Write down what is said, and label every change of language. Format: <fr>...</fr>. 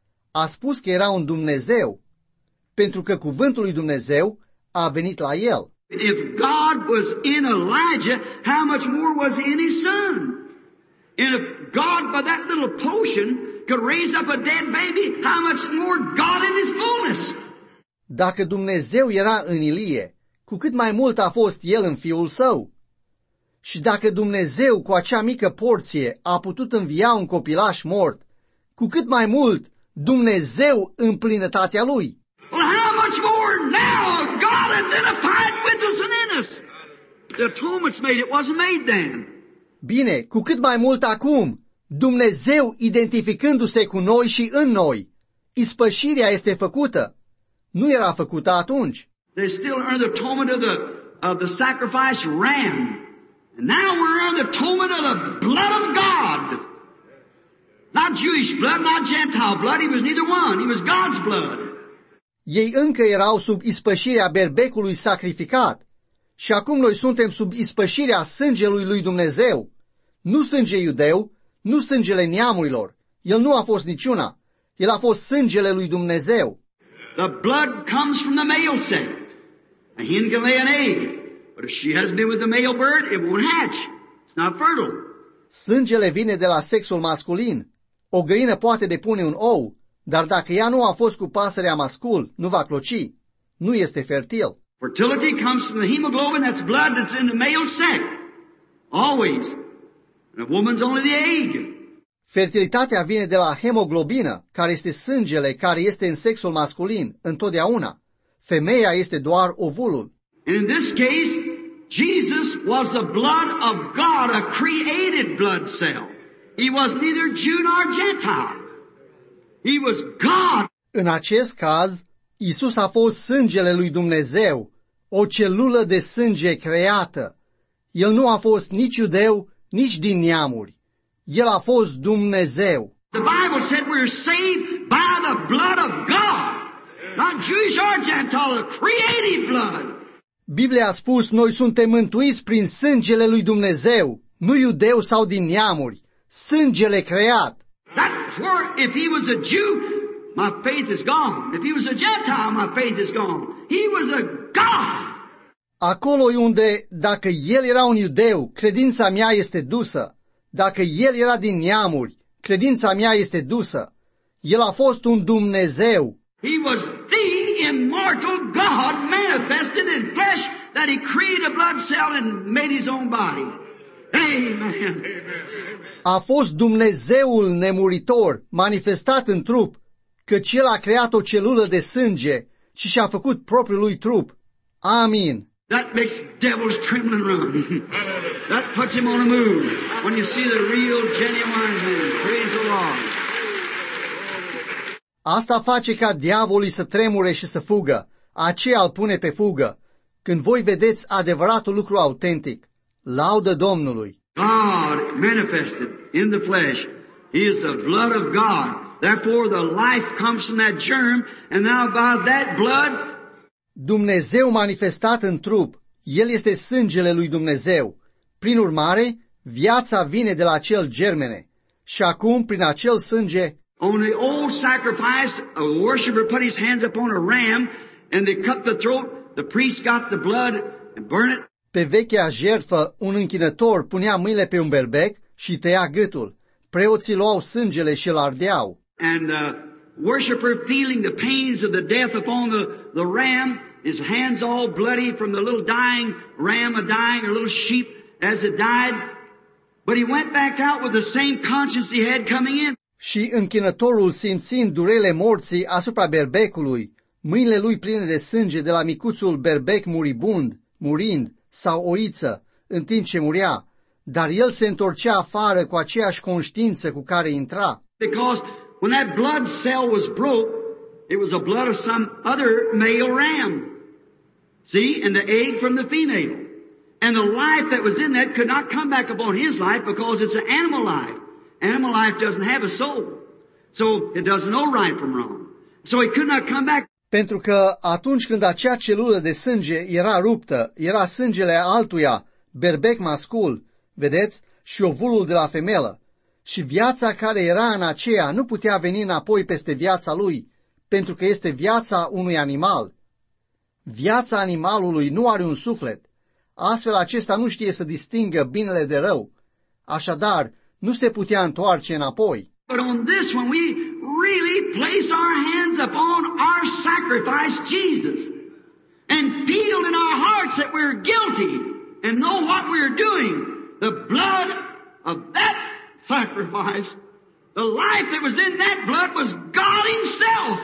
<ro>A spus că era un Dumnezeu, pentru că cuvântul lui Dumnezeu a venit la el.</ro> <en>If God was in Elijah, how much more was he in his son? And if God by that little potion could raise up a dead baby, how much more God in his fullness?</en> <ro>Dacă Dumnezeu era în Ilie, cu cât mai mult a fost el în fiul său? Și dacă Dumnezeu cu acea mică porție a putut învia un copilaș mort, cu cât mai mult Dumnezeu în plinătatea lui.</ro> <en>Well, how much more now God identified with us and in us? The atonement's made, it wasn't made then.</en> <ro>Bine, cu cât mai mult acum, Dumnezeu identificându-se cu noi și în noi. Ispășirea este făcută. Nu era făcută atunci.</ro> <en>They still earn the atonement of the sacrifice ram. And now we're on the atonement of the blood of God. Not Jewish blood, not Gentile blood. He was neither one. He was God's blood.</en> <ro>Ei încă erau sub ispășirea berbecului sacrificat. Și acum noi suntem sub ispășirea sângelui lui Dumnezeu. Nu sânge iudeu, nu sângele neamurilor. El nu a fost niciuna. El a fost sângele lui Dumnezeu.</ro> <en>The blood comes from the male sect. A hen can lay an egg. But if she hasn't been with the male bird, it won't hatch. It's not fertile.</en> <ro>Sângele vine de la sexul masculin. O găină poate depune un ou, dar dacă ea nu a fost cu pasărea mascul, nu va cloci. Nu este fertil.</ro> <en>Fertility comes from the hemoglobin, that's blood that's in the male sect. Always. And a woman's only the egg.</en> <ro>Fertilitatea vine de la hemoglobină, care este sângele care este în sexul masculin, întotdeauna. Femeia este doar ovulul.</ro> <en>And in this case, Jesus was the blood of God, a created blood cell. He was neither Jew nor Gentile. He was God.</en> <ro>În acest caz, Iisus a fost sângele lui Dumnezeu, o celulă de sânge creată. El nu a fost nici iudeu, nici din neamuri. El a fost Dumnezeu.</ro> <en>The Bible said we're saved by the blood of God. Not Jewish or Gentile, the creative blood.</en> <ro>Biblia a spus, noi suntem mântuiți prin sângele lui Dumnezeu, nu iudeu sau din neamuri, sângele creat.</ro> <en>That's where if he was a Jew, my faith is gone. If he was a Gentile, my faith is gone. He was a God.</en> <ro>Acolo unde, dacă el era un iudeu, credința mea este dusă. Dacă el era din neamuri, credința mea este dusă. El a fost un Dumnezeu.</ro> <en>He was the immortal God manifested in flesh that he created a blood cell and made his own body. Amen.</en> <ro>A fost Dumnezeul nemuritor manifestat în trup, căci el a creat o celulă de sânge și și-a făcut propriul lui trup. Amin.</ro> <en>That makes devils tremble and run. That puts him on a move when you see the real genuine him. Praise the Lord.</en> <ro>Asta face ca diavolii să tremure și să fugă, aceea îl pune pe fugă, când voi vedeți adevăratul lucru autentic, laudă Domnului.</ro> <en>God manifested in the flesh. He is the blood of God. Therefore the life comes from that germ, and now by that blood.</en> <ro>Dumnezeu manifestat în trup, el este sângele lui Dumnezeu. Prin urmare, viața vine de la acel germene. Și acum, prin acel sânge.</ro> <en>On the old sacrifice, a worshiper put his hands upon a ram and they cut the throat. The priest got the blood and burned it.</en> <ro>Pe vechea jertfă, un închinător punea mâinile pe un berbec și tăia gâtul. Preoții luau sângele și îl ardeau.</ro> <en>And the worshiper feeling the pains of the death upon the ram, his hands all bloody from the little dying ram, a dying or little sheep as it died. But he went back out with the same conscience he had coming in.</en> <ro>Și închinătorul, simțind durele morții asupra berbecului, mâinile lui pline de sânge de la micuțul berbec muribund, murind, sau oiță, în timp ce murea, dar el se întorcea afară cu aceeași conștiință cu care intra.</ro> <en>Because when that blood cell was broke, it was the blood of some other male ram. See, and the egg from the female. And the life that was in that could not come back upon his life because it's an animal life. Animal life doesn't have a soul. So it doesn't know right from wrong. So he could not come back.</en> <ro>Pentru că atunci când acea celulă de sânge era ruptă, era sângele altuia, berbec mascul, vedeți, și ovulul de la femelă. Și viața care era în aceea nu putea veni înapoi peste viața lui, pentru că este viața unui animal. Viața animalului nu are un suflet. Astfel acesta nu știe să distingă binele de rău. Așadar, nu se putea întoarce înapoi.</ro> <en>But on this one we really place our hands upon our sacrifice Jesus and feel in our hearts that we're guilty and know what we're doing. The blood of that sacrifice, the life that was in that blood was God himself.</en>